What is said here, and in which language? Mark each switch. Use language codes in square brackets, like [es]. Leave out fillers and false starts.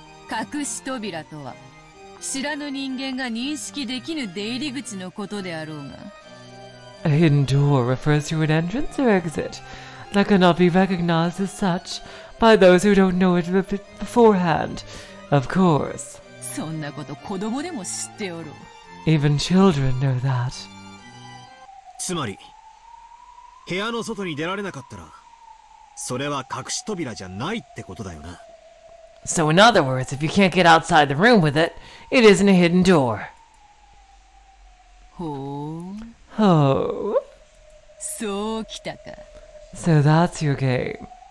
[ja] 隠し扉とは、 知らぬ人間が認識できぬ出入り口のことであろうが。 [en] A hidden door refers to an entrance or exit that cannot be recognized as such by those who don't know it beforehand, of course. [ja] そんなこと子供でも知っておろう。 [en] Even children know that. [ja] つまり、部屋の外に出られなかったら、それは隠し扉じゃないってことだよな。 [en] So in other words, if you can't get outside the room with it, it isn't a hidden door. [ja] Ho. そうきたか。 [en] So that's your game.